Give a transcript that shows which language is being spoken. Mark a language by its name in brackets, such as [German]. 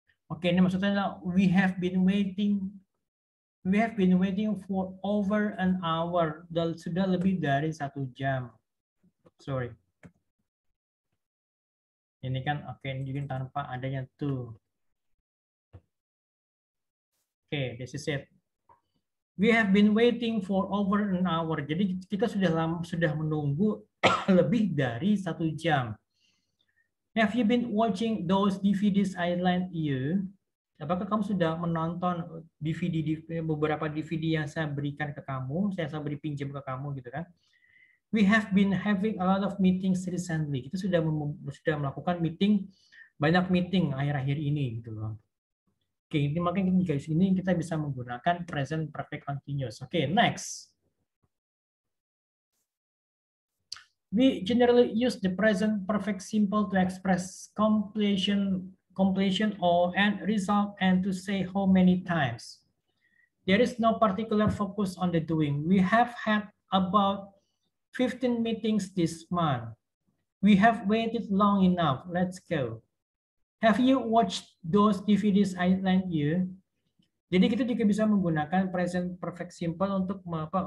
[Indonesian] Oke, ini maksudnya [English] we have been waiting for over an hour, [Indonesian] dan sudah lebih dari 1 jam. [English] Sorry. [Indonesian] Ini kan oke, ini juga tanpa adanya to. [English] Oke, this is it. We have been waiting for over an hour. [Indonesian] Jadi kita sudah menunggu lebih dari 1 jam. [English] Have you been watching those DVDs I lent you? [Indonesian] Apakah kamu sudah menonton DVD beberapa DVD yang saya berikan ke kamu? Saya beri pinjam ke kamu gitu kan. [English] We have been having a lot of meetings recently. [Indonesian] Kita sudah melakukan meeting, banyak meeting akhir-akhir ini gitu loh. Oke, ini makanya di case ini kita bisa menggunakan present perfect continuous. [English] Oke, next. We generally use the present perfect simple to express completion or end result and to say how many times. There is no particular focus on the doing. We have had about 15 meetings this month. We have waited long enough. Let's go. Have you watched those DVDs I lent you? [Indonesian] Jadi kita juga bisa menggunakan present perfect simple untuk apa?